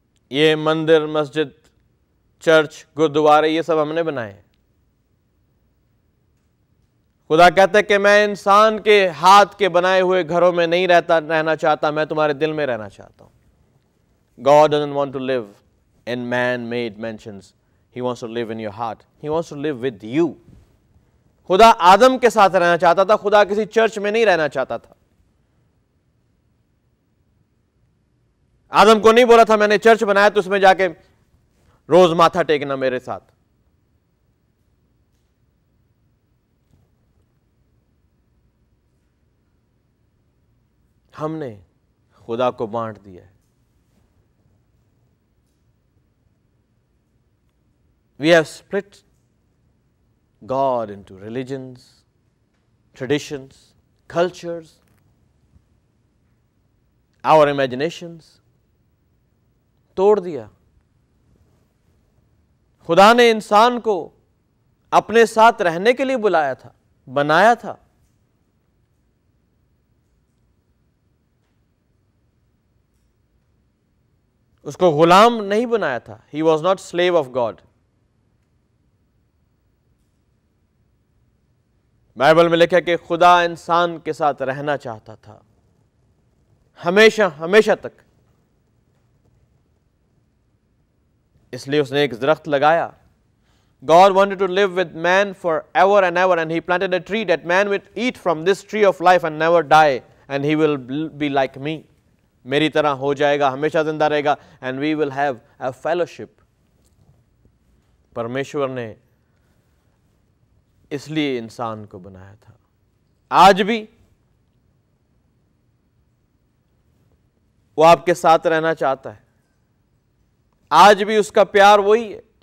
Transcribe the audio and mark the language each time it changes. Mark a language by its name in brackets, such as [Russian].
[Urdu] یہ مندر, مسجد, چرچ, گردوارے, یہ سب ہم نے بنائے. خدا کہتا ہے کہ میں انسان کے ہاتھ کے بنائے ہوئے گھروں میں نہیں رہتا رہنا چاہتا, میں تمہارے دل میں رہنا چاہتا ہوں. [English] God doesn't want to live in man-made mansions. He wants to live in your heart. He wants to live with you. [Urdu] خدا آدم کے ساتھ رہنا چاہتا تھا, خدا کسی چرچ میں نہیں رہنا چاہتا تھا. آدم کو نہیں بولا تھا میں نے چرچ بنایا تو اس میں جا کے روز ماتھا ٹیکنا میرے ساتھ. ہم نے خدا کو بانٹ دیا. [English] We have split God into religions, traditions, cultures, our imaginations. [Urdu] توڑ دیا خدا نے انسان کو اپنے ساتھ رہنے کے لیے بلایا تھا, بنایا تھا. اس کو غلام نہیں بنایا تھا. [English] He was not slave of God. [Urdu] Bible میں لکھا کہ خدا انسان کے ساتھ رہنا چاہتا تھا, ہمیشہ ہمیشہ تک. اس لیے اس نے ایک درخت لگایا. [English] God wanted to live with man forever and ever, and he planted a tree that man would eat from this tree of life and never die, and he will be like me. [Urdu] میری طرح ہو جائے گا, ہمیشہ زندہ رہے گا, [English] and we will have a fellowship. [Urdu] Parmeshwar نے اس لیے انسان کو بنایا تھا. آج بھی وہ آپ کے ساتھ رہنا چاہتا ہے, آج بھی اس کا پیار وہی ہے.